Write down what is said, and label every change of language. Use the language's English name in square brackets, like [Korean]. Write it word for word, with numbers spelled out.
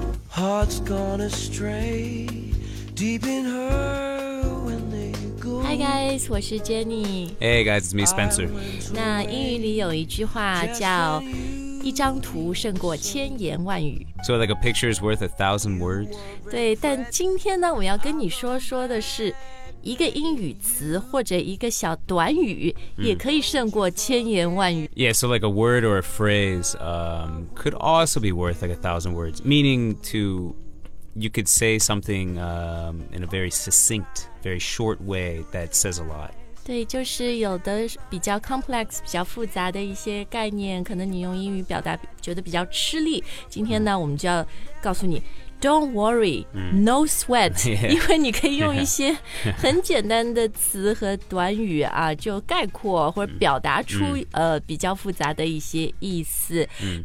[English] Heart's gone astray, deep in her when they go. Hi guys, [Chinese] 我是 Jenny. [English] Hey guys, it's me Spencer. [Chinese] 那英语里有一句话叫一张图胜过千言万语。 [English] So like a picture is worth a thousand words? [Chinese] 对，但今天呢，我要跟你说说的是一个英语词或者一个小短语也可以胜过千言万语。 [English] Yeah, so like a word or a phrase um, could also be worth like a thousand words, meaning to you could say something um, in a very succinct, very short way that says a lot. [Chinese] 对，就是有的比较 complex 比较复杂的一些概念，可能你用英语表达觉得比较吃力。今天呢，我们就要告诉你 [English] Don't worry,、 [Chinese] 嗯、 [English] no sweat, yeah, [Chinese] 因为你可以用一些很简单的词和短语啊，就概括或者表达出、嗯、呃比较复杂的一些意思、嗯。